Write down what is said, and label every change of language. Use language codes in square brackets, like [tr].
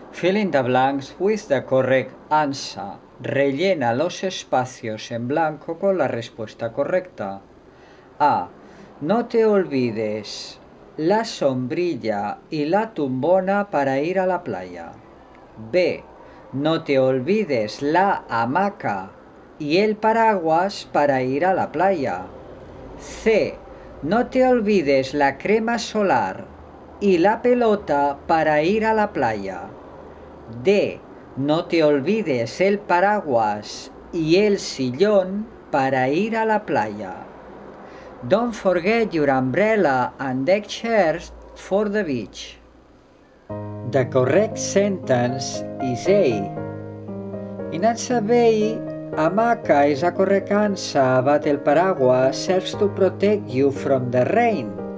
[en] Fill in the blanks with the correct answer. [es] Rellena los espacios en blanco con la respuesta correcta. A. No te olvides la sombrilla y la tumbona para ir a la playa. B. No te olvides la hamaca y el paraguas para ir a la playa. C. No te olvides la crema solar y la pelota para ir a la playa. D. No te olvides el paraguas y el sillón para ir a la playa. [en] Don't forget your umbrella and deck chairs for the beach. The correct sentence is A. In answer B, hamaca is a correct answer, but el paraguas serves to protect you from the rain.